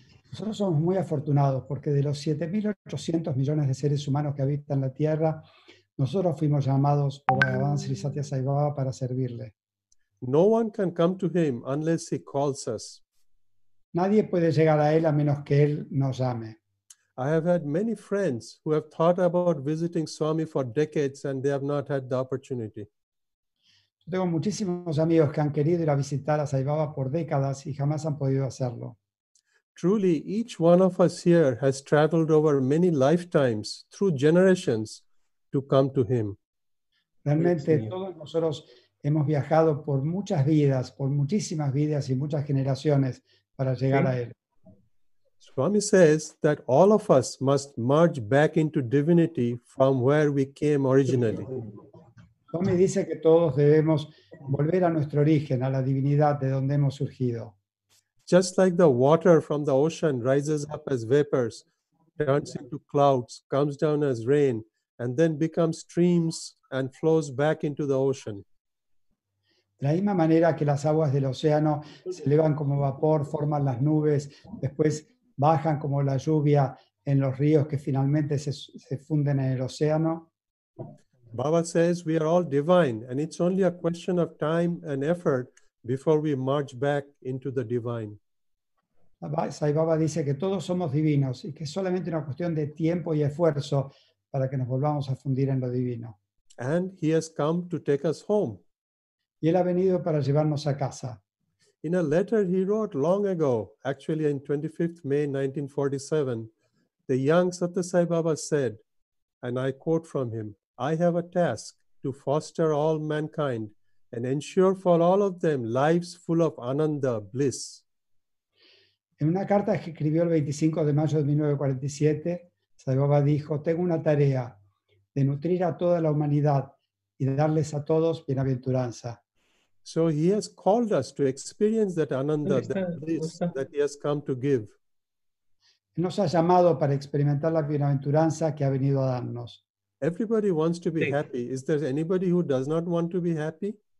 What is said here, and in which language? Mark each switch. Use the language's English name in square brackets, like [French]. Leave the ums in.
[Spanish] Nosotros somos muy afortunados porque de los 7.800 millones de seres humanos que habitan la Tierra, nosotros fuimos llamados por Bhagavan Sri Satya Sai Baba para servirle. [English] No one can come to him unless he calls us. [Spanish] Nadie puede llegar a él a menos que él nos llame. [English] I have had many friends who have thought about visiting Swami for decades and they have not had the opportunity. [Spanish] Yo tengo muchísimos amigos que han querido ir a visitar a Sai Baba por décadas y jamás han podido hacerlo. [English] Truly, each one of us here has traveled over many lifetimes through generations to come to Him. [Spanish] Realmente Señor. todos nosotros hemos viajado por muchas vidas, por muchísimas vidas y muchas generaciones para llegar a Él. [English] Swami says that all of us must merge back into divinity from where we came originally. [Spanish] Tommy dice que todos debemos volver a nuestro origen, a la divinidad de donde hemos surgido. [English] Just like the water from the ocean rises up as vapors, turns into clouds, comes down as rain, and then becomes streams and flows back into the ocean. [Spanish] De la misma manera que las aguas del océano se elevan como vapor, forman las nubes, después bajan como la lluvia en los ríos que finalmente se, se funden en el océano, [English] Baba says we are all divine, and it's only a question of time and effort before we march back into the divine. [Spanish] Ba- Sai Baba dice que todos somos divinos y que es solamente una cuestión de tiempo y esfuerzo para que nos volvamos a fundir en lo divino. [English] And he has come to take us home. [Spanish] Y Él ha venido para llevarnos a casa. [English] In a letter he wrote long ago, actually on 25th May 1947, the young Satyasai Baba said, and I quote from him, I have a task to foster all mankind and ensure for all of them lives full of ananda, bliss. [Spanish] En una carta que escribió el 25 de mayo de 1947, Sai Baba dijo, tengo una tarea de nutrir a toda la humanidad y darles a todos bienaventuranza. [English] So he has called us to experience that ananda, that Understand, bliss understand. that he has come to give. [Spanish] Él nos ha llamado para experimentar la bienaventuranza que ha venido a darnos. [English] Everybody wants to be Take. happy. Is there anybody who does not want to be happy?